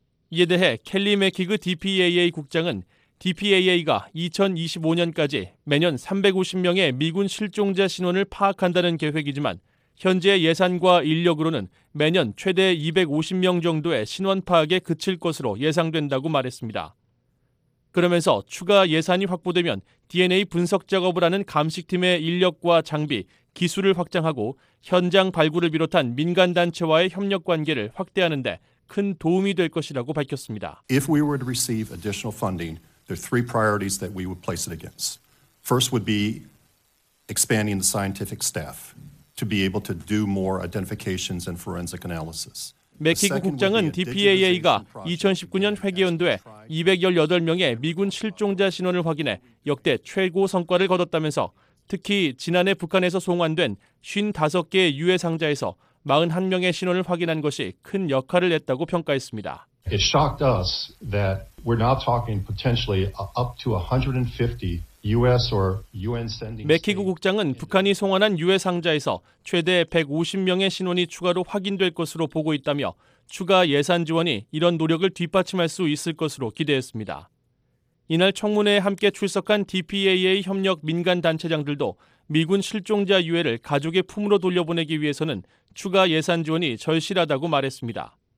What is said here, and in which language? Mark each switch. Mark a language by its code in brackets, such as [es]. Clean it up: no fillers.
[ko] 이에 대해 켈리 맥히그 DPAA 국장은 DPAA가 2025년까지 매년 350명의 미군 실종자 신원을 파악한다는 계획이지만 현재 예산과 인력으로는 매년 최대 250명 정도의 신원 파악에 그칠 것으로 예상된다고 말했습니다. 그러면서 추가 예산이 확보되면 DNA 분석 작업을 하는 감식팀의 인력과 장비, 기술을 확장하고 현장 발굴을 비롯한 민간단체와의 협력 관계를 확대하는 데 큰 도움이 될 것이라고 밝혔습니다. [en] If we were to receive additional funding, there are three priorities that we would place it against. First would be expanding the scientific staff to be able to do more identifications and forensic analysis. [ko] 맥히그 국장은 DPAA가 2019년 회계연도에 218명의 미군 실종자 신원을 확인해 역대 최고 성과를 거뒀다면서 특히 지난해 북한에서 송환된 55개의 유해 상자에서 41명의 신원을 확인한 것이 큰 역할을 했다고 평가했습니다. [en] It shocked us that we're now talking potentially up to 150 US or UN sending. [ko] 매키구 국장은 북한이 송환한 유해 상자에서 최대 150명의 신원이 추가로 확인될 것으로 보고 있다며 추가 예산 지원이 이런 노력을 뒷받침할 수 있을 것으로 기대했습니다. 이날 청문회에 함께 출석한 DPAA 협력 민간 단체장들도 미군 실종자 유해를 가족의 품으로 돌려보내기 위해서는 추가 예산 지원이 절실하다고 말했습니다.